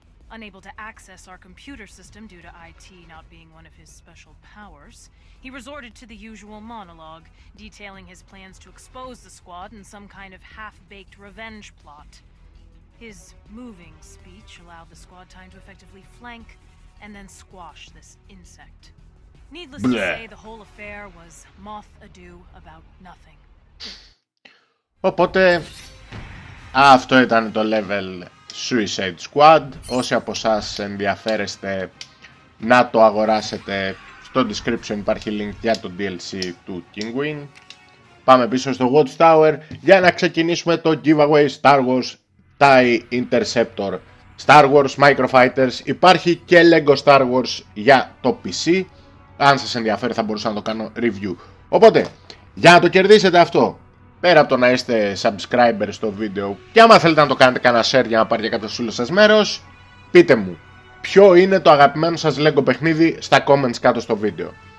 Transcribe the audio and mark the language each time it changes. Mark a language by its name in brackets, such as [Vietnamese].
[English] Unable to access our computer system due to IT not being one of his special powers, he resorted to the usual monologue, detailing his plans to expose the squad in some kind of half-baked revenge plot. His moving speech allowed the squad time to effectively flank and then squash this insect. Needless to say, the whole affair was moth ado about nothing. [Greek] Οπότε, αυτό ήταν το level Suicide Squad. Όσοι από εσάς ενδιαφέρεστε να το αγοράσετε, στο description υπάρχει link για το DLC του Kingwin. Πάμε πίσω στο Watchtower για να ξεκινήσουμε το giveaway Star Wars TIE Interceptor. Star Wars Microfighters, υπάρχει και LEGO Star Wars για το PC. Αν σας ενδιαφέρει θα μπορούσα να το κάνω review. Οπότε, για να το κερδίσετε αυτό, πέρα από το να είστε subscriber στο βίντεο και άμα θέλετε να το κάνετε κανένα share για να πάρει κάποιο φίλο σας μέρος, πείτε μου ποιο είναι το αγαπημένο σας LEGO παιχνίδι στα comments κάτω στο βίντεο.